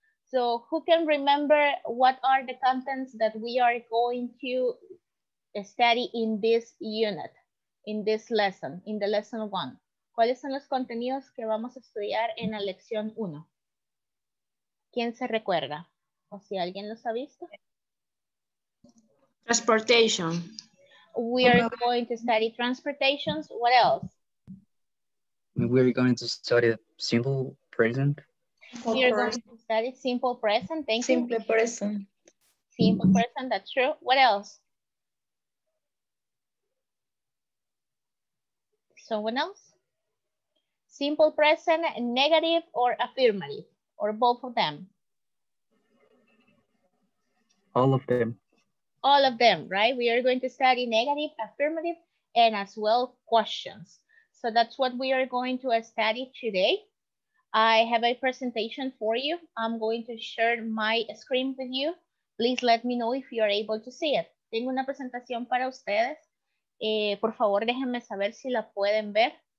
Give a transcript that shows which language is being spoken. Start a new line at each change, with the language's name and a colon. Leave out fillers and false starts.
English: So who can remember what are the contents that we are going to study in this unit? In this lesson, in the lesson one.
Spanish: ¿Cuáles son los contenidos que vamos a estudiar en la lección uno? ¿Quién se recuerda? ¿O si alguien los ha visto?
English: Transportation. We are going to study transportations. What else? We are going to study simple present. We are going to study simple present. Thank you. Simple present. Simple present, that's true. What else? Someone else? Simple present, negative or affirmative, or both of them? All of them. All of them, right? We are going to study negative, affirmative, and as well questions. So that's what we are going to study today. I have a presentation for you. I'm going to share my screen with you. Please let me know if you are able to see it.
Spanish: Tengo una presentación para ustedes. Por favor, déjenme saber si la pueden ver.